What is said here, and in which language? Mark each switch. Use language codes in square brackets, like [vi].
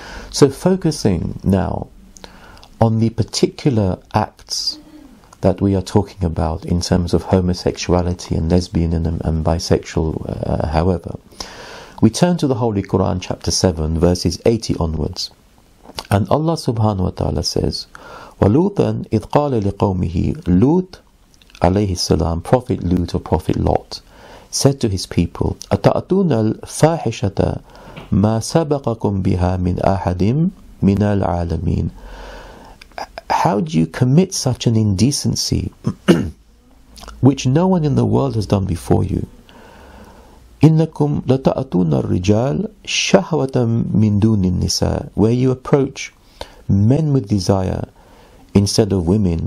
[en] So focusing now on the particular acts that we are talking about in terms of homosexuality and lesbianism and bisexual, however, we turn to the Holy Quran, chapter 7, verses 80 onwards. And Allah subhanahu wa ta'ala says, [ar] وَلُوتًا إِذْ قَالَ لِقَوْمِهِ لُوت عليه السلام, [en] Prophet Lut or Prophet Lot, said to his people, [ar] أَتَأْتُونَ الْفَاحِشَةَ مَا سَبَقَكُمْ بِهَا مِنْ أَحَدٍ مِنَ الْعَالَمِينَ. [en] How do you commit such an indecency which no one in the world has done before you? [ar] إِنَّكُمْ لَتَأْتُونَ الرِّجَالَ شَهْوَةً مِنْ دُونِ النِّسَاءِ, [en] where you approach men with desire instead of women.